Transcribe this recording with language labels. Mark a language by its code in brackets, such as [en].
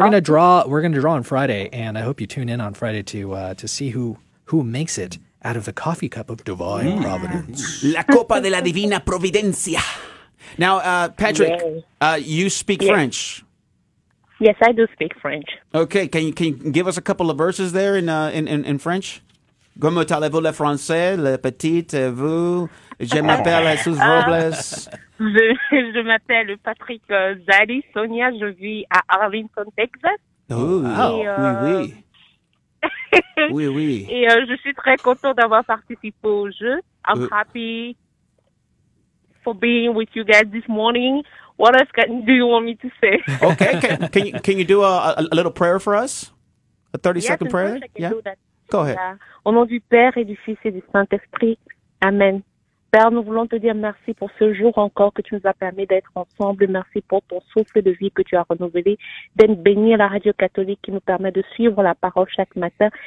[en] We're gonna draw on Friday, and I hope you tune in on Friday to see who makes it out of the coffee cup of divine providence. [es] La copa de la divina providencia. [en] Now, Patrick, you speak French. Yes, I do speak French. Okay, can you give us a couple of verses there in French? [fr] Comment allez-vous le français, le petit vous? Je m'appelle Jesus Robles. Je m'appelle Patrick Zali Sonia. Je vis à Arlington, Texas. Oui. Et je suis très content d'avoir participé au jeu. [en] I'm happy for being with you guys this morning. What else do you want me to say? Okay, can you do a little prayer for us? A 30-second prayer? Yeah. Go ahead. [fr] Au nom du Père et du Fils et du Saint-Esprit. Amen. Père, nous voulons te dire merci pour ce jour encore que tu nous as permis d'être ensemble. Merci pour ton souffle de vie que tu as renouvelé. D'être béni à la radio catholique qui nous permet de suivre la parole chaque matin.